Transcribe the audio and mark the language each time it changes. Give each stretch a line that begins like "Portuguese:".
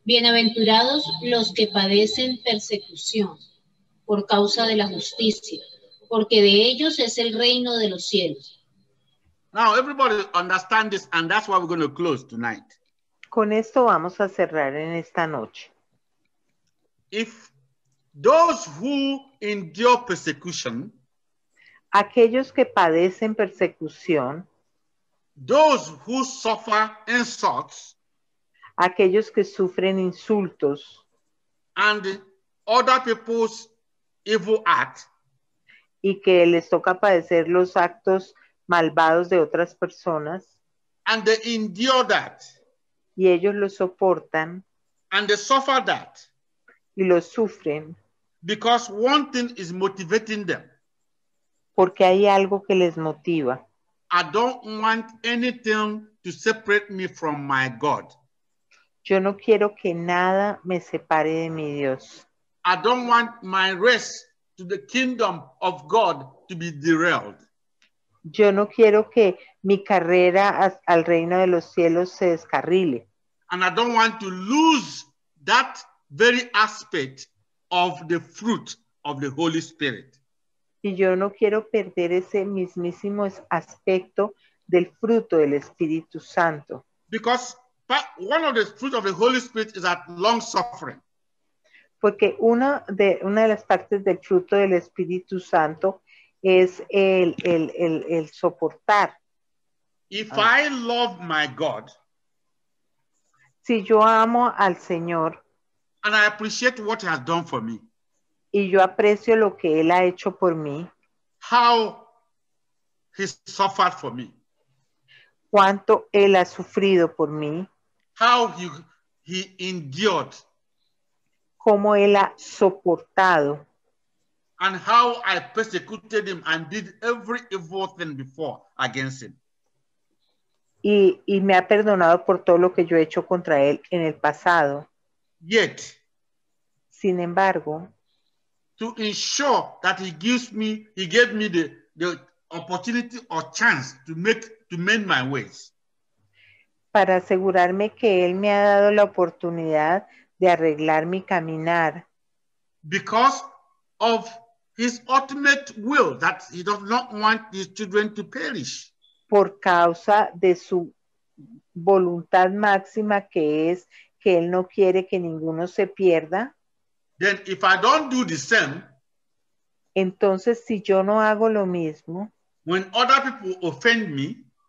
Spanish: Bienaventurados los que padecen persecución por causa de la justicia, porque de ellos es el reino de los cielos.
English: Now everybody understand this, and that's why we're going to close tonight.
Spanish: Con esto vamos a cerrar en esta noche.
English: If those who endure persecution,
Spanish: aquellos que padecen persecución,
English: those who suffer insults,
Spanish: aquellos que sufren insultos,
English: and other people's evil act,
Spanish: y que les toca padecer los actos malvados de otras personas,
English: and they endure that,
Spanish: y ellos lo soportan,
English: and they suffer that,
Spanish: y lo sufren,
English: because one thing is motivating them,
Spanish: porque hay algo que les motiva.
English: I don't want anything to separate me from my God.
Spanish: Yo no quiero que nada me separe de mi Dios.
English: I don't want my race to the kingdom of God to be derailed.
Spanish: Yo no quiero que mi carrera al reino de los cielos se descarrile.
English: And I don't want to lose that very aspect of the fruit of the Holy Spirit.
Spanish: Y yo no quiero perder ese mismísimo aspecto del fruto del Espíritu Santo.
English: Because one of the fruit of the Holy Spirit is that long suffering.
Spanish: Porque una de las partes del fruto del Espíritu Santo es el soportar.
English: If I love my God,
Spanish: si yo amo al Señor,
English: and I appreciate what he has done for me,
Spanish: y yo aprecio lo que él ha hecho por mí,
English: how he suffered for me,
Spanish: cuánto él ha sufrido por mí,
English: how he endured,
Spanish: cómo él ha soportado,
English: and how I persecuted him and did every evil thing before against him.
Spanish: Y me ha perdonado por todo lo que yo he hecho contra él en el pasado.
English: Yet,
Spanish: sin embargo,
English: to ensure that he gave me the opportunity or chance to mend my ways.
Spanish: Para asegurarme que él me ha dado la oportunidad de arreglar mi caminar.
English: Because of his ultimate will, that he does not want his children to perish.
Spanish: Por causa de su voluntad máxima, que es que él no quiere que ninguno se pierda.
English: Then if I don't do the same,
Spanish: entonces si yo no hago lo mismo,
English: when other people offend me,